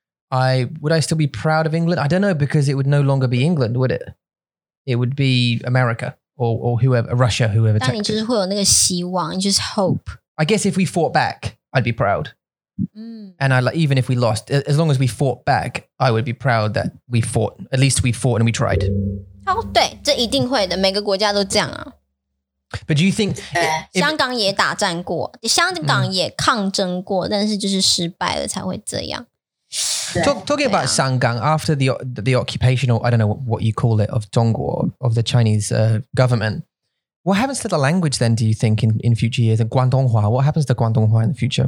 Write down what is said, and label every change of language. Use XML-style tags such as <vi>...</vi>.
<en>Would I still be proud of England? I don't know, because it would no longer be England, would it? It would be America or whoever, Russia, whoever.</en> <zh>但你就是会有那个希望,</zh> <en>you just hope. I guess if we fought back, I'd be proud. And I, like, even if we lost, as long as we fought back, I would be proud that we fought. At least we fought and we tried.</en> <zh>Oh, 对,这一定会的, 每个国家都这样啊。</zh> <en>But do you think...</en> <zh>香港也打战过,香港也抗争过, 但是就是失败了才会这样。</zh> <en>Talking about Shanggang, after the occupation, or I don't know what you call it, of Zhongguo, of the Chinese government, what happens to the language then, do you think, in future years? And Guangdonghua, what happens to Guangdonghua in the future?</en>